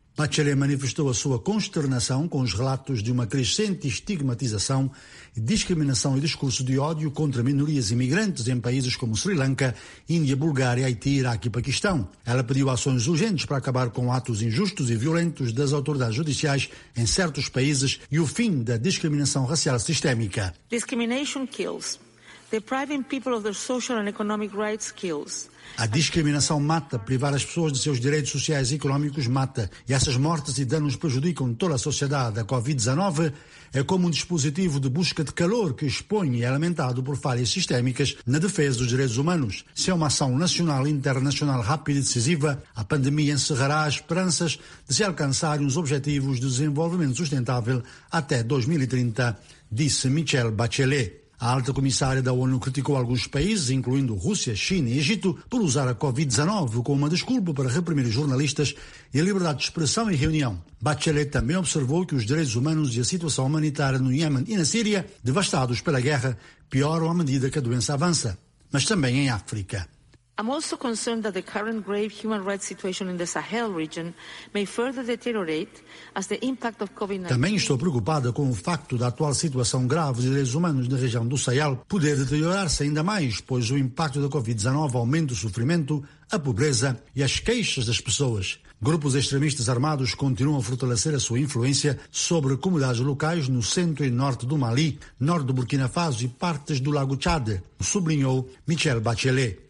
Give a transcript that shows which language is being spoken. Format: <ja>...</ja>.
<pt>Bachelet manifestou a sua consternação com os relatos de uma crescente estigmatização, discriminação e discurso de ódio contra minorias imigrantes em países como Sri Lanka, Índia, Bulgária, Haiti, Iraque e Paquistão. Ela pediu ações urgentes para acabar com atos injustos e violentos das autoridades judiciais em certos países e o fim da discriminação racial sistémica.</pt> <en>Discrimination kills. Depriving people of their social and economic rights kills.</en> <pt>A discriminação mata, privar as pessoas de seus direitos sociais e económicos mata. E essas mortes e danos prejudicam toda a sociedade. A Covid-19 é como um dispositivo de busca de calor que expõe e é alimentado por falhas sistémicas na defesa dos direitos humanos. Se é uma ação nacional e internacional rápida e decisiva, a pandemia encerrará as esperanças de se alcançarem os objetivos de desenvolvimento sustentável até 2030, disse Michelle Bachelet. A alta comissária da ONU criticou alguns países, incluindo Rússia, China e Egito, por usar a Covid-19 como uma desculpa para reprimir jornalistas e a liberdade de expressão e reunião. Bachelet também observou que os direitos humanos e a situação humanitária no Iêmen e na Síria, devastados pela guerra, pioram à medida que a doença avança, mas também em África.</pt> <en>I'm also concerned that the current grave human rights situation in the Sahel region may further deteriorate as the impact of COVID-19.</en> <pt>Também estou preocupada com o facto da atual situação grave de direitos humanos na região do Sahel poder deteriorar-se ainda mais, pois o impacto da Covid-19 aumenta o sofrimento, a pobreza e as queixas das pessoas. Grupos extremistas armados continuam a fortalecer a sua influência sobre comunidades locais no centro e norte do Mali, norte do Burkina Faso e partes do Lago Tchad, sublinhou Michelle Bachelet.</pt>